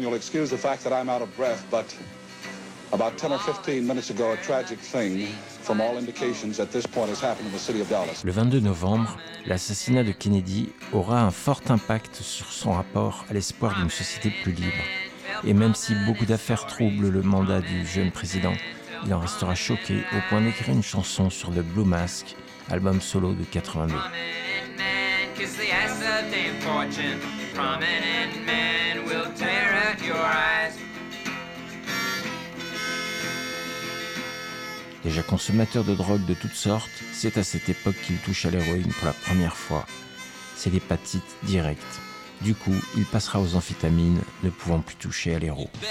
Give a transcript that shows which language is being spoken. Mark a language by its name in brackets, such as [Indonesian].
[English] You'll excuse the fact that I'm out of breath, but about 10 or 15 minutes ago, a tragic thing, from all indications, at this point has happened in the city of Dallas. [French] Le 22 novembre, l'assassinat de Kennedy aura un fort impact sur son rapport à l'espoir d'une société plus libre. Et même si beaucoup d'affaires troublent le mandat du jeune président, il en restera choqué au point d'écrire une chanson sur The Blue Mask, album solo de 82. [English] Prominent men will tear out your eyes. [French] Déjà consommateur de drogue de toutes sortes, c'est à cette époque qu'il touche à l'héroïne pour la première fois. C'est l'hépatite directe. Du coup, il passera aux amphétamines, ne pouvant plus toucher à l'héro.